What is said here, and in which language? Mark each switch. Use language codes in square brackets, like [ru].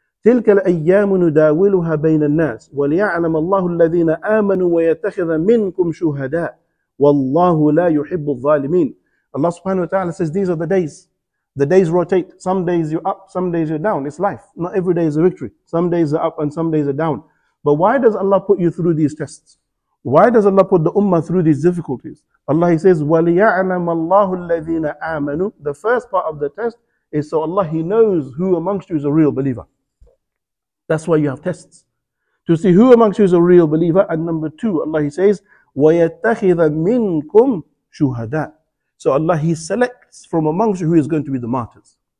[ar] تِلْكَ الْأَيَّامُ نُدَاوِلُهَا بَيْنَ النَّاسِ وَلِيَعْلَمَ اللَّهُ الَّذِينَ آمَنُوا وَيَتَّخِذَ مِنْكُمْ شُهَدَاءَ وَاللَّهُ لَا يُحِبُّ الظَّالِمِينَ. [en] Allah subhanahu wa ta'ala says, these are the days. The days rotate. Some days you're up, some days you're down. It's life. Not every day is a victory. Some days are up and some days are down. But why does Allah put you through these tests? Why does Allah put the ummah through these difficulties? Allah, He says, [ar] وَلِيَعْلَمَ اللَّهُ الَّذِينَ آمَنُوا. [en] The first part of the test is so Allah, He knows who amongst you is a real believer. That's why you have tests. To see who amongst you is a real believer. And number two, Allah, He says, [ar] وَيَتَّخِذَ مِنْكُمْ شُهَدَاءَ. [en] So Allah, He selects from amongst you who is going to be the martyrs.